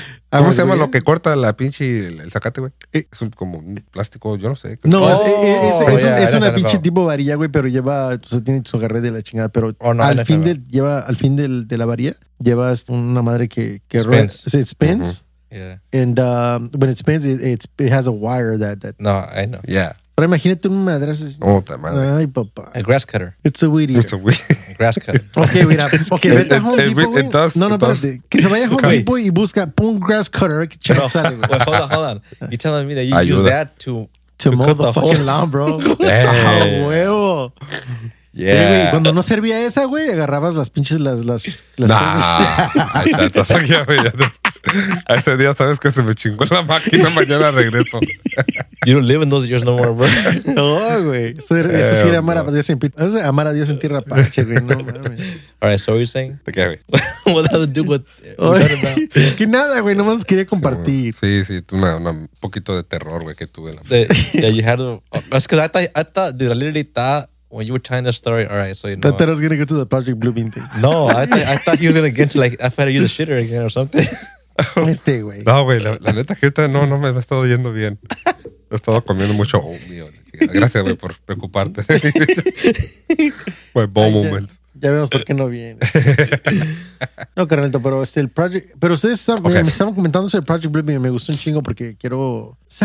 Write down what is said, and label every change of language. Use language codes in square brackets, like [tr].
[es] ¿Cómo se llama lo que corta la pinche el zacate, güey? Es como un plástico, yo no sé. No, es una tipo varilla, güey, pero lleva, o sea, tiene su agarre de la chingada, pero al fin de la varilla, llevas una madre que [en] spins. [es] Rueda. [en] It spins. Uh-huh. Yeah. And when it spins, it has a wire that. No, I know. Yeah. [es] Pero imagínate un madrazo. Oh, ta madre. Ay, papá. [en] A grass cutter. It's a weed eater. It's a weed eater. Grass cutter. [es] Okay, mira. Okay, vete a Home Depot, güey. Que se vaya a Home Depot y busca un grass cutter. Que chévere sale, güey. [en] Well, hold on. You're telling me that you use that to mow the fucking lawn, bro. Hey. [es] ¡A huevo! [en] Yeah. Hey, [es] wey, cuando no servía esa, güey, agarrabas las pinches, las... [en] Nah. [es] Ya, a ese día sabes que se me chingó la máquina, mañana regreso. [en] You don't live in those years no more, bro. [es] No, güey. Eso sí era amar a Dios en tierra. Eso es amar a Dios en tierra, pache, güey. No, [en] mami. All right, so you're saying? [es] Okay, güey. [en] What does it do with... [es] Que nada, güey. Nomás quería compartir. Sí. Un poquito de terror, güey, que tuve. [en] You had... That's because I thought... Dude, I literally thought... When you were telling the story, all right, so you know. I thought I was going to go to the Project Bluebeam thing. No, I thought he was going to get to, like, I thought you the shitter again or something. [es] Este, güey. No, güey, la neta, que ahorita no me ha estado yendo bien. He estado comiendo mucho. Oh, mío. Gracias, güey, por preocuparte. Güey, bow moment. Ya vemos por qué no viene. No, carnalito, pero el Project... Pero ustedes me estaban comentando sobre el Project Bluebeam y me gustó un chingo porque quiero...